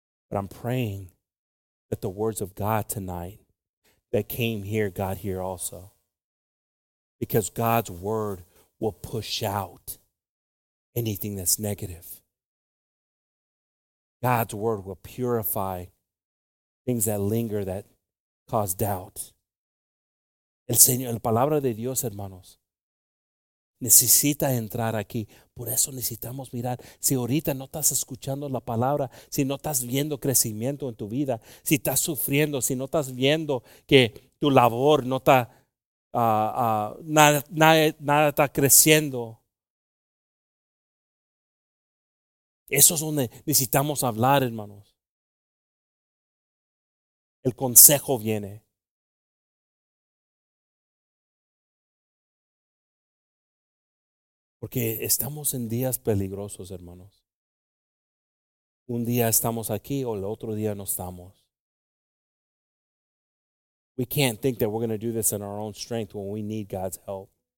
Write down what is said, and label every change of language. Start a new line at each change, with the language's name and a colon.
English: But I'm praying that the words of God tonight that came here got here also. Because God's word will push out anything that's negative. God's word will purify things that linger, that cause doubt.
Spanish: El Señor, la palabra de Dios, hermanos, necesita entrar aquí. Por eso necesitamos mirar. Si ahorita no estás escuchando la palabra, si no estás viendo crecimiento en tu vida, si estás sufriendo, si no estás viendo que tu labor no está, nada está creciendo. Eso es donde necesitamos hablar, hermanos. El consejo viene. Porque estamos en días peligrosos, hermanos. Un día estamos aquí o el otro día no estamos.
English: We can't think that we're going to do this in our own strength when we need God's help.